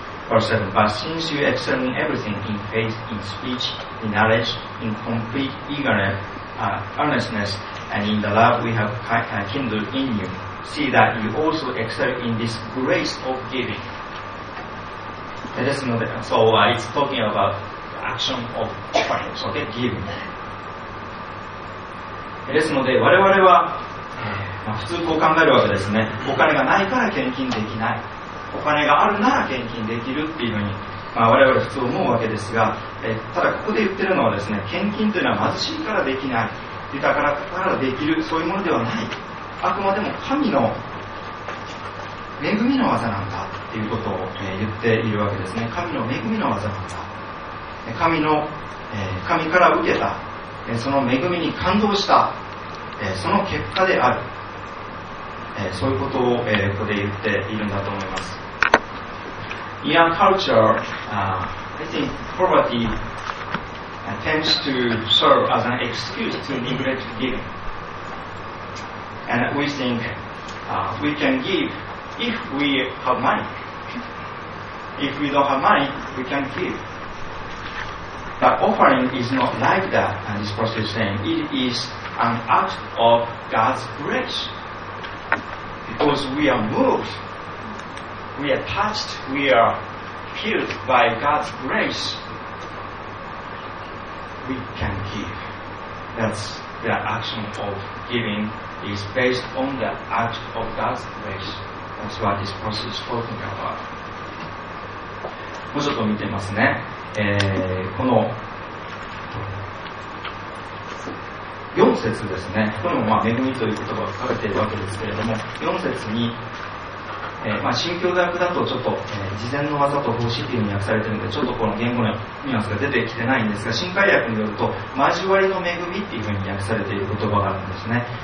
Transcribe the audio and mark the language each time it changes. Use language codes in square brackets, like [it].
[en] Verse 7, but since you excel in everything, in faith, in speech, in knowledge, in complete eagerness, earnestness, and in the love we have kindled in you, see that you also excel in this grace of giving. So it's talking aboutaction of offerings, okay, giving. [ja] ですので我々は、普通こう考えるわけですね。お金がないから献金できない、お金があるなら献金できるっていうふうに、我々普通思うわけですが、ただここで言ってるのはですね、献金というのは貧しいからできない、豊かだからできる、そういうものではない。あくまでも神の恵みの技なんだということを、言っているわけですね。神の恵みの技なんだ、神から受けた、その恵みに感動した、その結果である、そういうことを、ここで言っているんだと思います。 [en] In our culture, I think poverty tends to serve as an excuse to neglect giving. And we think we can give if we have money. If we don't have money, we can giveBut offering is not like that, and this person is saying. It is an act of God's grace. Because we are moved, we are touched, we are healed by God's grace, we can give. That's the action of giving is based on the act of God's grace. That's what this process is talking about. [ja] もうちょっと見てみますね、この4節ですね。これもまあ恵みという言葉が書かれているわけですけれども、4節に、まあ新教訳だとちょっと、事前の技と奉仕というふうに訳されているので、ちょっとこの言語のニュアンスが出てきてないんですが、新改訳によると交わりの恵みというふうに訳されている言葉があるんですね。